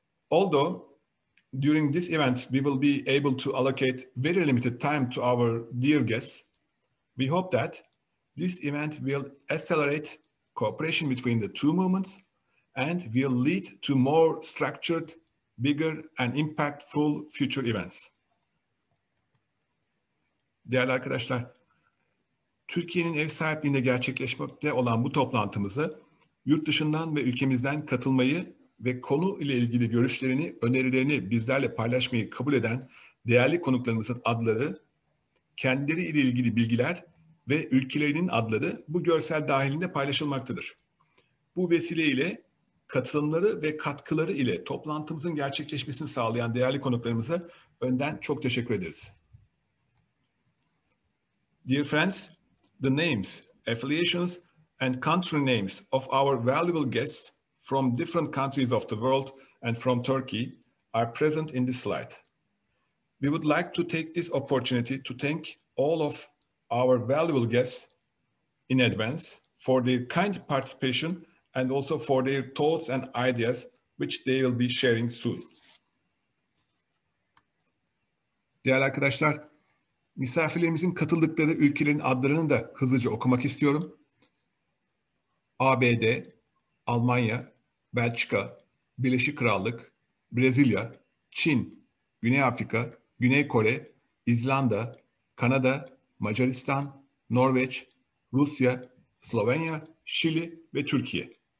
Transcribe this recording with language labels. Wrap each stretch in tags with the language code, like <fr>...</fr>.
<en>Although during this event, we will be able to allocate very limited time to our dear guests, we hope that this event will accelerate cooperation between the two movements and will lead to more structured, bigger and impactful future events.</en> <tr>Değerli arkadaşlar, Türkiye'nin ev sahipliğinde gerçekleşmekte olan bu toplantımızı yurt dışından ve ülkemizden katılmayı ve konu ile ilgili görüşlerini, önerilerini bizlerle paylaşmayı kabul eden değerli konuklarımızın adları, kendileri ile ilgili bilgiler ve ülkelerinin adları bu görsel dahilinde paylaşılmaktadır. Bu vesileyle katılımları ve katkıları ile toplantımızın gerçekleşmesini sağlayan değerli konuklarımıza önden çok teşekkür ederiz.</tr> <en>Dear friends, the names, affiliations and country names of our valuable guests from different countries of the world and from Turkey are present in this slide. We would like to take this opportunity to thank all of our valuable guests in advance for their kind participation and also for their thoughts and ideas, which they will be sharing soon.</en> <tr>Değerli arkadaşlar, Misafirlerimizin katıldıkları ülkelerin adlarını da hızlıca okumak istiyorum. ABD, Almanya, Belçika, Birleşik Krallık, Brezilya, Çin, Güney Afrika, Güney Kore, İzlanda, Kanada, Macaristan, Norveç, Rusya, Slovenya, Şili ve Türkiye.</tr>